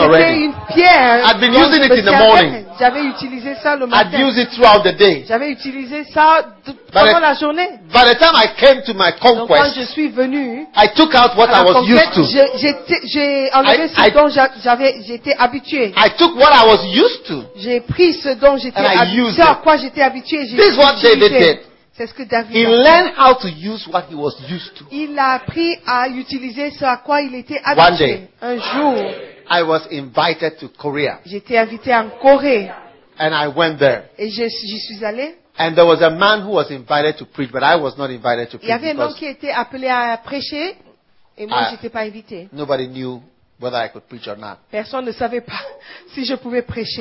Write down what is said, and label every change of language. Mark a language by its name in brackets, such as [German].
[French] c'était [English] already. [French] Une pierre. [English] I've been using it in the morning. [French] J'avais utilisé ça le matin. [English] I'd use it throughout the day. [French] J'avais utilisé ça pendant la journée. [English] By the time I came to my conquest, [French] donc quand je suis venu, [English] I took out what I was used to. [French] J'étais habitué. [English] I took what I was used to. [French] J'ai pris ce dont j'étais habitué. À quoi j'étais habitué. [English] This is what David did. [French] C'est ce que David [English] he learned how to use what he was used to. [French] Il a appris à utiliser ce à quoi il était habitué. [English] One day, [French] un jour, [English] I was invited to Korea. [French] J'étais invité en Corée. [English] And I went there. [French] Et j'y suis allé. [English] And there was a man who was invited to preach, but I was not invited to preach. [French] Il y avait un homme qui était appelé à prêcher, et moi j'étais pas invité. [English] Nobody knew whether I could preach or not. [French] Personne ne savait pas si je pouvais prêcher.